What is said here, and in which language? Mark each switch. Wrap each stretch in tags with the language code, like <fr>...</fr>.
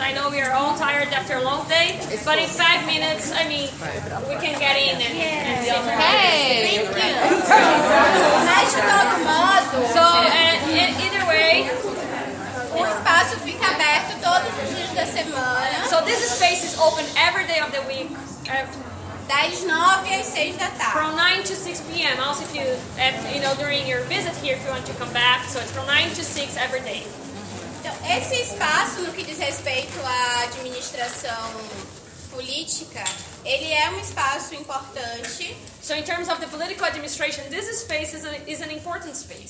<en>I know we are all tired after a long day. But in 5 minutes, I mean, we can get in and hey, thank you.</en> <pt>Todo modo.</pt> <en>So either way,</en> <pt>o espaço fica aberto todos os dias da semana.</pt> <en>So this space is open every day of the week.</en> <pt>Das 9 às 6 da tarde.</pt> <en>From 9 to 6 p.m. Also, if you, you know, during your visit here, if you want to come back. So it's from 9 to 6 every day.</en> <pt>Então, esse espaço, no que diz respeito à administração política, ele é espaço importante.</pt> <en>So in terms of the political administration, this space is an important space.</en>